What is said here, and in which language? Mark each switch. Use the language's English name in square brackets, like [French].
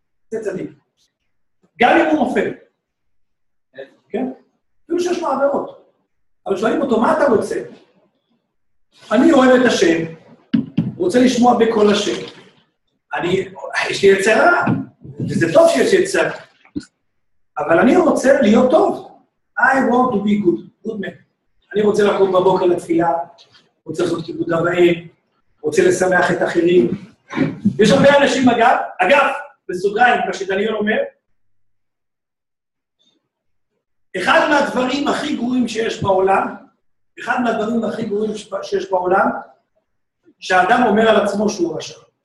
[Hebrew] זה צדיק. גם אם הוא מופל. כן? אפילו שיש לו עבירות. אבל שואלים אותו, מה אתה רוצה? אני אוהב את השם, רוצה לשמוע בקול השם. אני, יש לי יצרה, וזה טוב שיש לי יצרה. אבל אני רוצה להיות טוב. [English] I want to be good, good man. [Hebrew] אני רוצה לקום בבוקר לתפילה, רוצה לעשות כיבוד אבאים, רוצה לשמח את אחרים. יש הרבה אנשים, אגב, בסוגריים, מה שדניאל אומר, אחד מהדברים הכי גרועים שיש בעולם, אחד מהדברים הכי גרועים שיש בעולם, שהאדם אומר על עצמו שהוא רשע.